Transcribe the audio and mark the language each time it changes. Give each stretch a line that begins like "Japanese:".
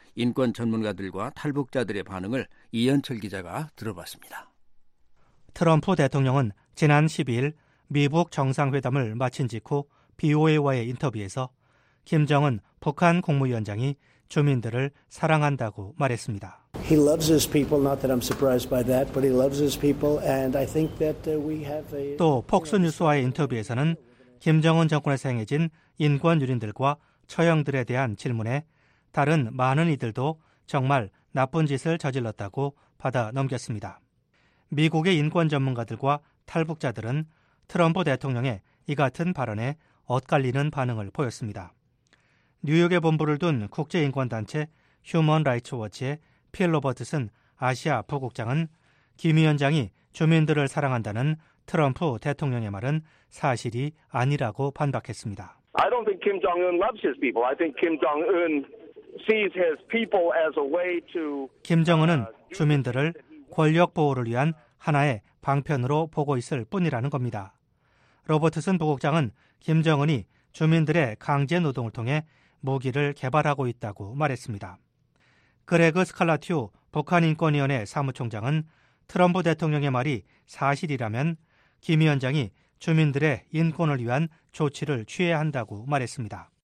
Korean: 인권 전문가들과 탈북자들의 반응을 이현철 기자가 들어봤습니다. 트럼프 대통령은 지난 12일 미북 정상회담을 마친 직후 BOA와의 인터뷰에서 김정은 북한 국무위원장이 주민들을 사랑한다고 말했습니다.
English: He loves his people, not that I'm surprised by that, but he loves his people and I think that we have a
Korean: 또 폭스 뉴스와의 인터뷰에서는 김정은 정권에서 행해진 인권 유린들과 처형들에 대한 질문에 다른 많은 이들도 정말 나쁜 짓을 저질렀다고 받아 넘겼습니다. 미국의 인권 전문가들과 탈북자들은 트럼프 대통령의 이 같은 발언에 엇갈리는 반응을 보였습니다. 뉴욕에 본부를 둔 국제인권단체 휴먼 라이츠 워치의 필 로버트슨 아시아 부국장은 김 위원장이 주민들을 사랑한다는 트럼프 대통령의 말은 사실이 아니라고 반박했습니다.
English: I don't think Kim Jong-un loves his people. I think Kim Jong-un sees his people as a way to
Korean: 김정은은 주민들을 권력 보호를 위한 하나의 방편으로 보고 있을 뿐이라는 겁니다. 로버트슨 부국장은 김정은이 주민들의 강제 노동을 통해 무기를 개발하고 있다고 말했습니다. 그레그 스칼라티우 북한인권위원회 사무총장은 트럼프 대통령의 말이 사실이라면 김 위원장이 주민들의 인권을 위한 조치를 취해야 한다고 말했습니다.